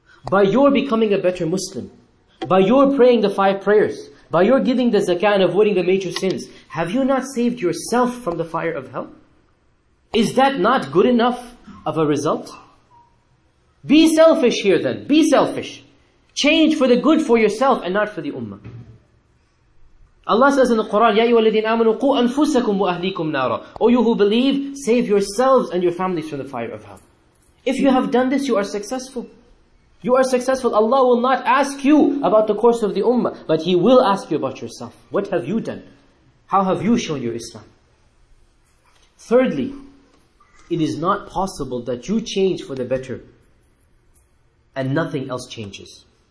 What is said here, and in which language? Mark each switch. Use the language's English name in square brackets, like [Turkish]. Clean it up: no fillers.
[English] By your becoming a better Muslim, by your praying the five prayers, by your giving the zakah and avoiding the major sins, have you not saved yourself from the fire of hell? Is that not good enough of a result? Be selfish here then. Be selfish. Change for the good for yourself and not for the ummah. Allah says in the Quran, [Arabic] يَا أَيُّهَا الَّذِينَ آمَنُوا قُوا أَنفُسَكُمْ وَأَهْلِيكُمْ نَارًا. [English] O you who believe, save yourselves and your families from the fire of hell. If you have done this, you are successful. You are successful. Allah will not ask you about the course of the ummah, but He will ask you about yourself. What have you done? How have you shown your Islam? Thirdly, it is not possible that you change for the better and nothing else changes.